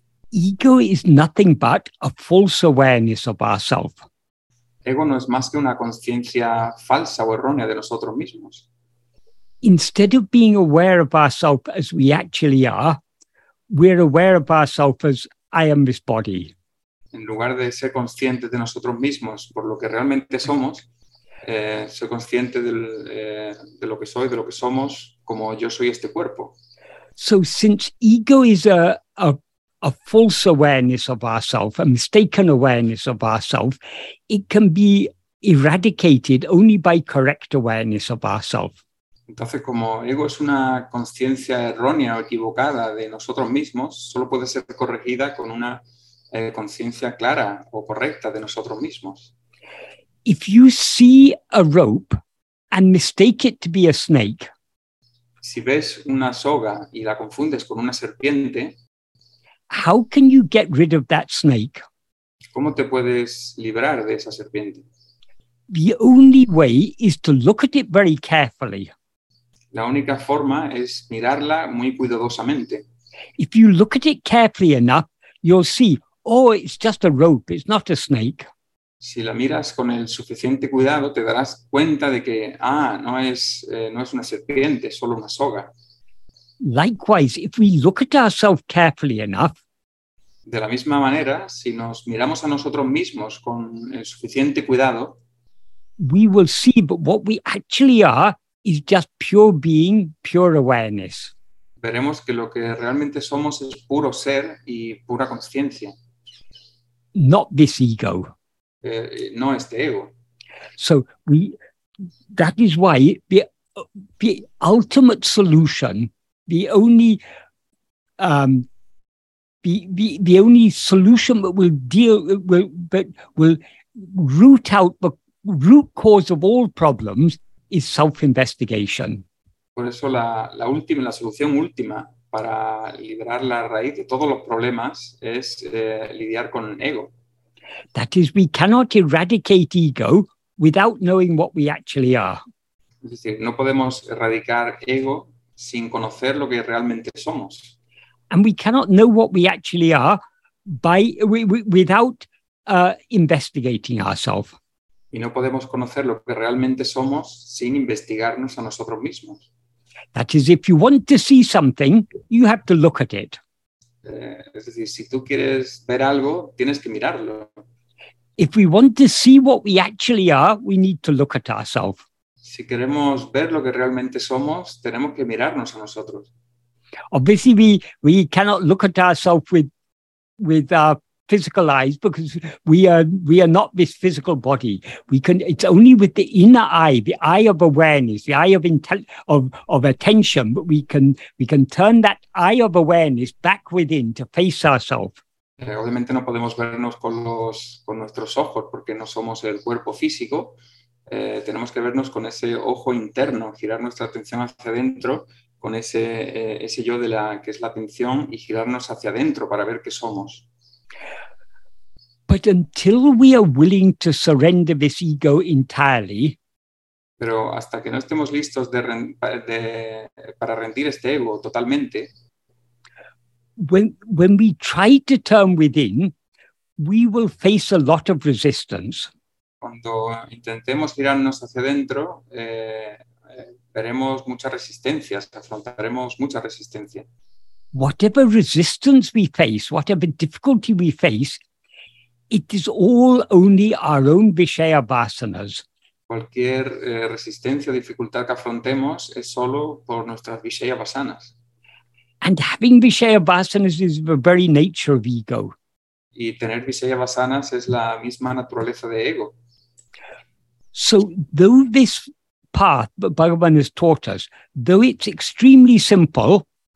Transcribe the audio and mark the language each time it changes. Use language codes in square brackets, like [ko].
[en] Ego is nothing but a false awareness of ourself. [es] Ego no es más que una conciencia falsa o errónea de nosotros mismos. [en] Instead of being aware of ourselves as we actually are, we're aware of ourselves as I am this body. [es] En lugar de ser conscientes de nosotros mismos por lo que realmente somos, ser consciente de lo que soy, de lo que somos, como yo soy este cuerpo. [en] So since ego is a false awareness of ourselves, a mistaken awareness of ourselves, it can be eradicated only by correct awareness of ourselves. [es] Entonces, como ego es una conciencia errónea o equivocada de nosotros mismos, solo puede ser corregida con una conciencia clara o correcta de nosotros mismos. [en] If you see a rope and mistake it to be a snake, [es] si ves una soga y la confundes con una serpiente, [en] how can you get rid of that snake? [es] ¿Cómo te puedes librar de esa serpiente? [en] The only way is to look at it very carefully. [es] La única forma es mirarla muy cuidadosamente. [en] If you look at it carefully enough, you'll see, oh, it's just a rope, it's not a snake. [es] Si la miras con el suficiente cuidado, te darás cuenta de que, ah, no es una serpiente, es solo una soga. [en] Likewise, if we look at ourselves carefully enough, [es] de la misma manera, si nos miramos a nosotros mismos con el suficiente cuidado, [en] we will see that what we actually are is just pure being, pure awareness. [es] Veremos que lo que realmente somos es puro ser y pura conciencia. [en] Not this ego. [es] No este ego. [en] So that is why the ultimate solution, the only solution that will root out the root cause of all problems is self-investigation. [es] Por eso la solución última para liberar la raíz de todos los problemas es lidiar con ego. [en] That is, we cannot eradicate ego without knowing what we actually are. [es] Es decir, no podemos erradicar ego sin conocer lo que realmente somos. [en] And we cannot know what we actually are without investigating ourselves. [es] Y no podemos conocer lo que realmente somos sin investigarnos a nosotros mismos. [en] That is, if you want to see something, you have to look at it. [es] Es decir, si tú quieres ver algo, tienes que mirarlo. [en] If we want to see what we actually are, we need to look at ourselves. [es] Si queremos ver lo que realmente somos, tenemos que mirarnos a nosotros. [en] Obviously, we cannot look at ourselves with our physical eyes, because we are not this physical body. It's only with the inner eye, the eye of awareness, the eye of attention, but we can turn that eye of awareness back within to face ourselves. [es] Obviamente no podemos vernos con nuestros ojos porque no somos el cuerpo físico. Tenemos que vernos con ese ojo interno, girar nuestra atención hacia adentro, con ese yo de la que es la atención y girarnos hacia adentro para ver qué somos. [en] But until we are willing to surrender this ego entirely, [es] pero hasta que no estemos listos para rendir este ego totalmente, [en] when we try to turn within, we will face a lot of resistance. [es] Cuando intentemos girarnos hacia adentro, veremos muchas resistencias, afrontaremos mucha resistencia. [en] Whatever resistance we face, whatever difficulty we face, it is all only our own vishaya vasanas. [es] Cualquier resistencia o dificultad que afrontemos es solo por nuestras vishaya vasanas. [en] And having Vishayavasanas is the very nature of ego. [es] Y tener Vishayavasanas es la misma naturaleza de ego. [en] So though this path that Bhagavan has taught us, though it's extremely simple